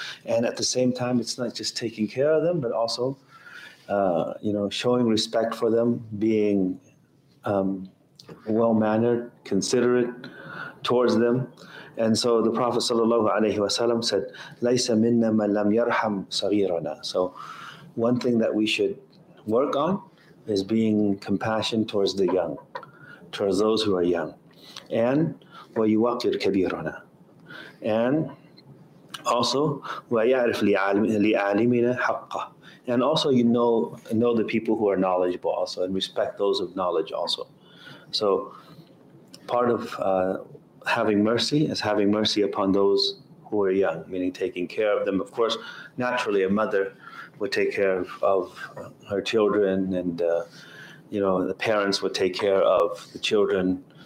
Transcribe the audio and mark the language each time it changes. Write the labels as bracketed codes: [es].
[en] And at the same time, it's not just taking care of them, but also, you know, showing respect for them, being well-mannered, considerate towards them. And so the Prophet sallallahu alaihi wasallam said, [ar] "Laysa minna man lam yarham saghirana." [en] So one thing that we should work on is being compassionate towards the young, towards those who are young. And [ar] وَيُوَقِّرْ كَبِيرَنَا. [en] And also [ar] وَيَعْرِفْ لِعَالِمِنَا حَقَّ. [en] And also you know the people who are knowledgeable also, and respect those of knowledge also. So part of having mercy is having mercy upon those who are young, meaning taking care of them. Of course, naturally a mother would take care of her children, and you know, the parents would take care of the children.